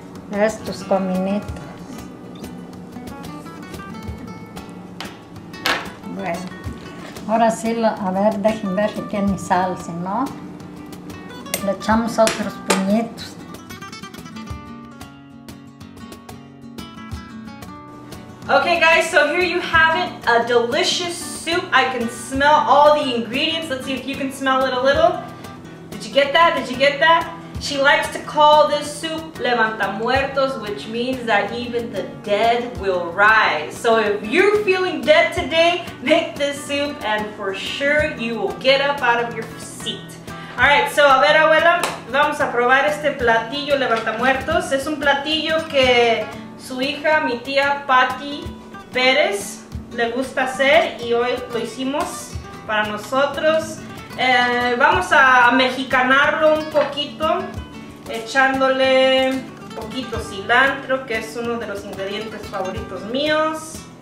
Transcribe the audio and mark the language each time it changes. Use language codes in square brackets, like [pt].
[es] Estos cominitos. Bueno, ahora sí, a ver, dejen ver que tiene sal, si no, le echamos otros puñitos. [en] Okay, guys, so here you have it, a delicious soup. I can smell all the ingredients. Let's see if you can smell it a little. Did you get that? She likes to call this soup Levanta Muertos, which means that even the dead will rise. So if you're feeling dead today, make this soup and for sure you will get up out of your seat. [es] Alright, so a ver, abuela, vamos a probar este platillo Levanta Muertos. Es un platillo que su hija, mi tía Patty Pérez, le gusta hacer y hoy lo hicimos para nosotros. Vamos a mexicanarlo un poquito, echándole un poquito cilantro, que es uno de los ingredientes favoritos míos.